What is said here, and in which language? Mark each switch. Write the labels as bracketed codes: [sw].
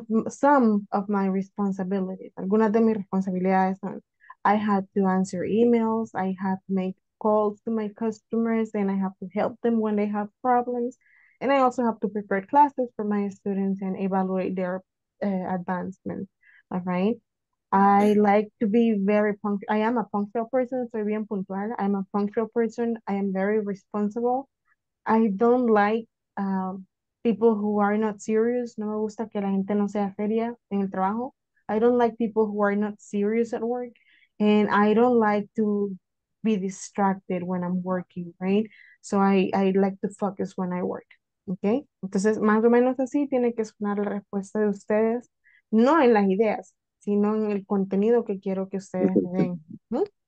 [en] Some of my responsibilities, [es] algunas de mis responsabilidades son, [en] I have to answer emails, I have to make calls to my customers, and I have to help them when they have problems, and I also have to prepare classes for my students and evaluate their advancement, all right? I like to be very punctual. I am a punctual person. [es] Soy bien puntual. [en] I'm a punctual person. I am very responsible. I don't like people who are not serious. [es] No me gusta que la gente no sea seria en el trabajo. [en] I don't like people who are not serious at work. And I don't like to be distracted when I'm working, right? So I like to focus when I work. [es] Okay, entonces más o menos así tiene que sonar la respuesta de ustedes, no en las ideas, sino en el contenido que quiero que ustedes me den.